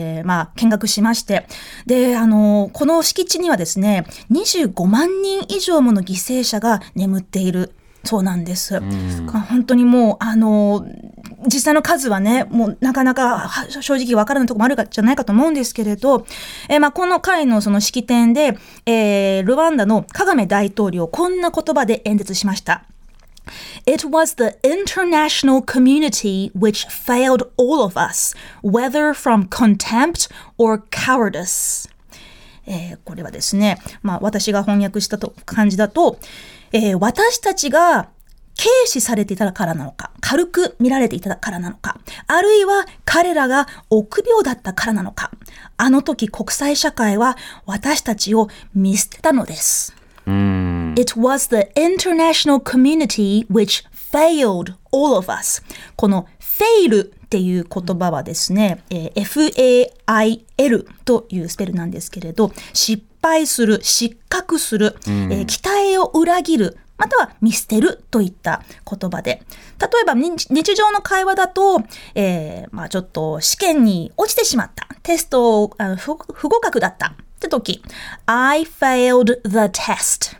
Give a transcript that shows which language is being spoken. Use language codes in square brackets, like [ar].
[ja] まあ、見学しまして、で、この敷地にはですね25万人以上もの犠牲者が眠っているそうなんです、うん、本当にもう実際の数はねもうなかなか正直わからないところもあるかじゃないかと思うんですけれど、まあ、この回のその式典で、ルワンダのカガメ大統領こんな言葉で演説しました。 [en] It was the international community which failed all of us, whether from contempt or cowardice. [ja] これはですね、まあ、私が翻訳したと感じだと、私たちが軽視されていたからなのか、軽く見られていたからなのか、あるいは彼らが臆病だったからなのか、あの時国際社会は私たちを見捨てたのです。 [en] It was the international community which failed all of us. [ja] この fail っていう言葉はですね、FAIL というスペルなんですけれど、失敗する、失格する、うん、期待を裏切る、または見捨てるといった言葉で、例えば日常の会話だと、まあ、ちょっと試験に落ちてしまった、テスト不合格だったって時、 [en] I failed the test、